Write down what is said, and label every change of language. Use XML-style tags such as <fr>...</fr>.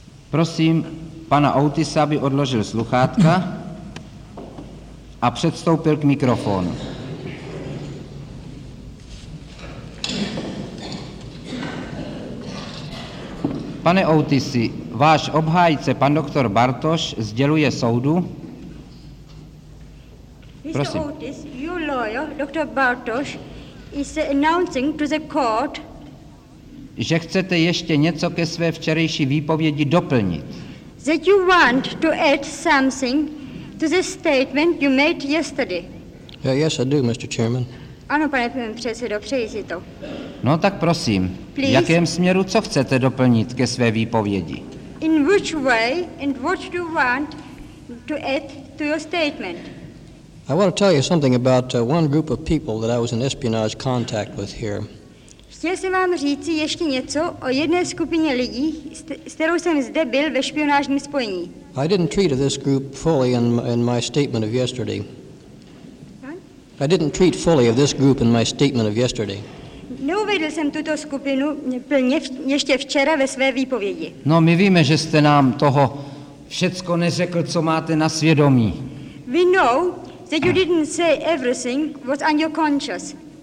<cs>Prosím pana Outisa, aby odložil sluchátka a předstoupil k mikrofonu. Pane Outisi, váš obhájce, pan doktor Bartoš, sděluje soudu. Prosím.</cs> <en>Mr. Otis, your lawyer, Dr. Bartoš, is announcing to the court,</en> <cs>že chcete ještě něco ke své včerejší výpovědi doplnit.</cs> <en>That you want to add something to the statement you made yesterday. Yes, I do, Mr. Chairman.</en> <cs>Ano, pane předsedo, přeji si to. No tak prosím,</cs> <en>please?</en> <cs>V jakém směru co chcete doplnit ke své výpovědi?</cs> <en>In which way and what do you want to add to your statement? I want to tell you something about one group of people that I was in espionage contact with here.</en> <cs>Chtěl jsem vám říci ještě něco o jedné skupině lidí, s kterou jsem zde byl ve špionážním spojení.</cs> <en>I didn't treat this group fully in my statement of yesterday. I didn't treat fully of this group in my statement of yesterday.</en> <cs>Neuvedl jsem tuto skupinu plně ještě včera ve své výpovědi. No, my víme, že jste nám toho všecko neřekl, co máte na svědomí.</cs> <en>We know that you didn't say everything was on your conscience.</en>